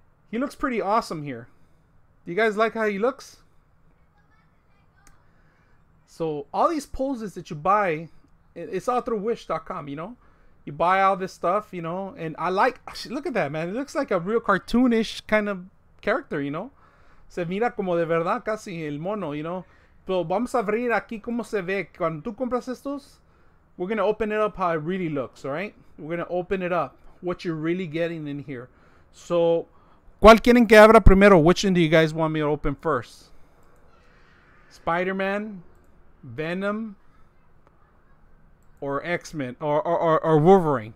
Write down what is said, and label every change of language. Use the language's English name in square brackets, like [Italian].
[English] He looks pretty awesome here. Do you guys like how he looks? So all these poses that you buy, it's all through wish.com, you know? You buy all this stuff, you know? And I like, look at that, man. It looks like a real cartoonish kind of character, you know? [Spanish] Se mira como de verdad casi el mono, you know? Pero vamos a abrir aquí como se ve cuando tú compras estos. [English] We're going to open it up how it really looks, all right? We're going to open it up, what you're really getting in here. So, [Spanish] ¿cuál quieren que abra primero? [English] Which one do you guys want me to open first? Spider-Man, Venom, or X-Men, or Wolverine.